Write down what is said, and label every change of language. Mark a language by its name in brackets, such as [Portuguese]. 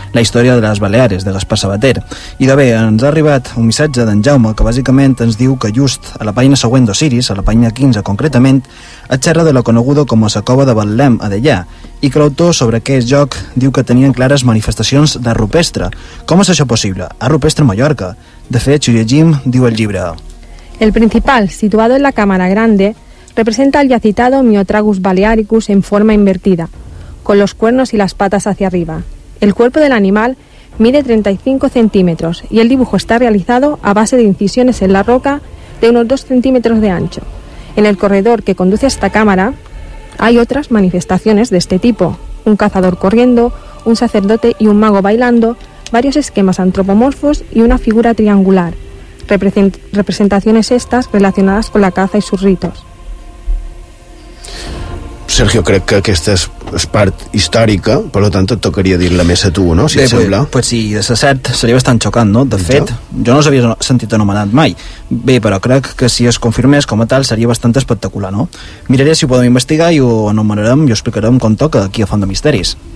[Catalan] la història de les Balears, de Gaspar Sabater. I de bé, ens ha arribat un missatge d'en Jaume que bàsicament ens diu que just a la pàgina següent d'Osiris, a la pàgina 15 concretament, et xerra de la coneguda com a la cova de Betlem a Deià, i que l'autor sobre aquest joc diu que tenien clares manifestacions de rupestre. Com és això possible? A rupestre Mallorca. De fet, ho llegim, diu el llibre. [Spanish] El principal, situado en la Cámara Grande, representa el ya citado Myotragus balearicus en forma invertida, con los cuernos y las patas hacia arriba. El cuerpo del animal mide 35 centímetros y el dibujo está realizado a base de incisiones en la roca de unos 2 centímetros de ancho. En el corredor que conduce a esta cámara hay otras manifestaciones de este tipo: un cazador corriendo, un sacerdote y un mago bailando, varios esquemas antropomorfos y una figura triangular. Representaciones estas relacionadas con la caza y sus ritos. [Catalan] Sergio, crec que aquesta és part històrica, per tant et tocaria dir-la més a tu, no? Si bé, et sembla. Pues sí, de ser cert seria bastant xocant, no? De fet, jo no l'havia sentit anomenat mai. Bé, però crec que si es confirmés com a tal seria bastant espectacular, no? Miraré si ho podem investigar i ho anomenarem i ho explicarem com toca aquí a Font de Misteris.